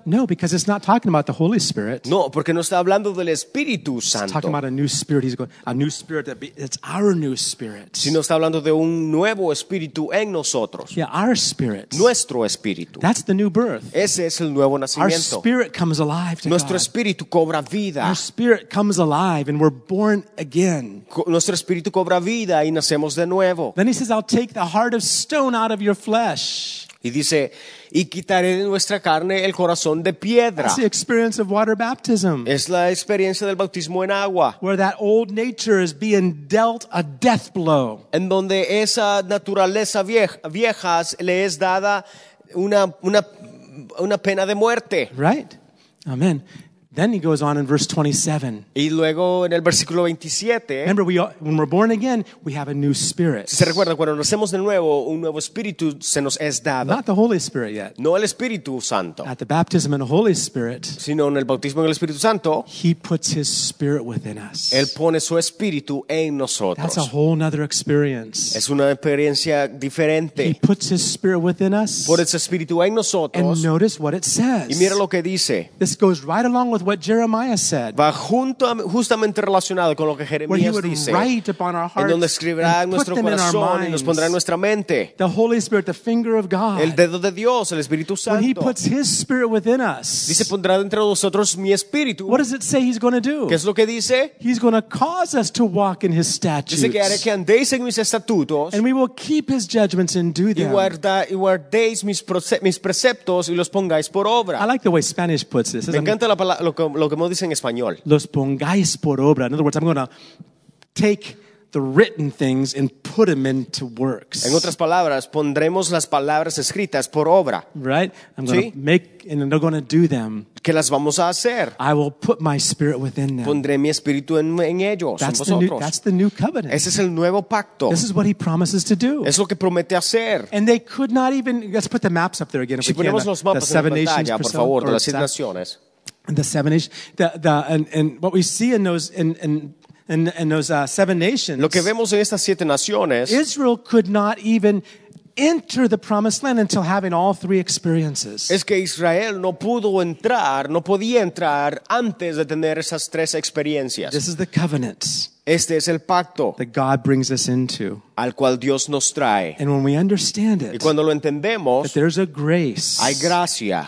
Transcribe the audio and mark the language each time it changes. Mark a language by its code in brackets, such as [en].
[en] No, because it's not talking about the Holy Spirit. [es] No, porque no está hablando del Espíritu Santo. [en] It's talking about a new spirit. He's going, a new spirit that it's our new spirit. [es] Sino está hablando de un nuevo espíritu en nosotros. [en] Yeah, our spirit. [es] Nuestro espíritu. [en] That's the new birth. [es] Ese es el nuevo nacimiento. [en] Our spirit comes alive to [es] Nuestro [en] God. [es] Espíritu cobra vida. [en] Our spirit comes alive and we're born again. [es] Nuestro espíritu cobra vida y nacemos de nuevo. [en] Then he says, I'll take the heart of stone out of your flesh. [es] Y dice, y quitaré de nuestra carne el corazón de piedra. [en] That's the experience of water baptism. [es] Es la experiencia del bautismo en agua. [en] Where that old nature is being dealt a death blow. [es] En donde esa naturaleza vieja le es dada una pena de muerte. [en] Right? Amen. Then he goes on in verse 27. [es] Y luego en el versículo 27. [en] Remember, when we're born again, we have a new spirit. [es] Se recuerda cuando nacemos de nuevo, un nuevo espíritu se nos es dado. [en] Not the Holy Spirit yet. [es] No el Espíritu Santo. [en] At the baptism in the Holy Spirit. [es] Sino en el bautismo en el Espíritu Santo. [en] He puts His Spirit within us. [es] Él pone su espíritu en nosotros. [en] That's a whole other experience. [es] Es una experiencia diferente. [en] He puts His Spirit within us. [es] Pone su espíritu en nosotros. [en] And notice what it says. [es] Y mira lo que dice. [en] This goes right along with what Jeremiah said. [es] Va justamente relacionado con lo que Jeremías dice. [en] Where he would write upon our hearts. [es] En donde escribirá en nuestro corazón y nos pondrá en nuestra mente. [en] The Holy Spirit, the finger of God. [es] El dedo de Dios, el Espíritu Santo. [en] When he puts His Spirit within us. [es] Dice, pondrá dentro de nosotros mi espíritu. [en] What does it say He's going to do? [es] ¿Qué es lo que dice? [en] He's going to cause us to walk in His statutes. [es] Dice que haré que andéis en mis estatutos. [en] And we will keep His judgments and do them. [es] Y guardéis mis preceptos y los pongáis por obra. [en] I like the way Spanish puts this. [es] Me encanta la palabra. Lo que me dice en español. Los pongáis por obra. [en] In other words, I'm going to take the written things and put them into works. [es] En otras palabras, pondremos las palabras escritas por obra. [en] Right? I'm going to make and they're going to do them. [es] ¿Qué las vamos a hacer? [en] I will put my spirit within them. [es] Pondré mi espíritu en ellos, [en] that's [es] en vosotros. [en] That's the new covenant. [es] Ese es el nuevo pacto. [en] This is what He promises to do. [es] Es lo que promete hacer. [en] And they could not even, let's put the maps up there again [es] si [en] if we can. [es] Ponemos los mapas [en] the seven [es] en pantalla, [en] nations, [es] por favor, de las seis naciones. [en] And the seven nations, and what we see in those in those seven nations. [es] Lo que vemos en estas siete naciones. [en] Israel could not even enter the promised land until having all three experiences. [es] Es que Israel no pudo entrar, no podía entrar antes de tener esas tres experiencias. [en] This is the covenant. [es] Este es el pacto. [en] That God brings us into. [es] Al cual Dios nos trae. [en] And when we understand it. [es] Y cuando lo entendemos. [en] That there's a grace. [es] Hay gracia.